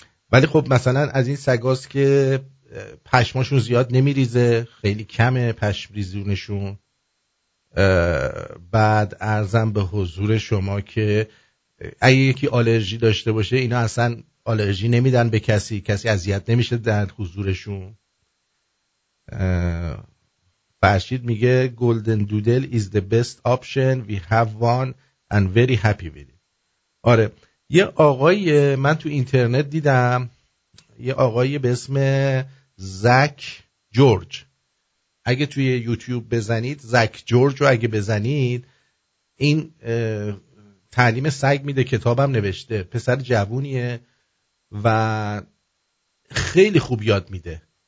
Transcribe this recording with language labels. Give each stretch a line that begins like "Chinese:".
Persian: ولی خب مثلا از این سگاست که پشماشون زیاد نمیریزه، خیلی کمه پشم ریزونشون. بعد عرضم به حضور شما که اگه یکی آلرژی داشته باشه، اینا اصلا آلرژی نمیدن به کسی، کسی اذیت نمیشه در حضورشون. فرشید میگه گلدن دودل
English: is the best option we have one and very happy with it.
Persian: آره، یه آقای من تو اینترنت دیدم، یه آقای به اسم زک جورج، اگه توی یوتیوب بزنید زک جورج رو اگه بزنید، این تعلیم سگ میده، کتابم نوشته، پسر جوونیه و خیلی خوب یاد میده.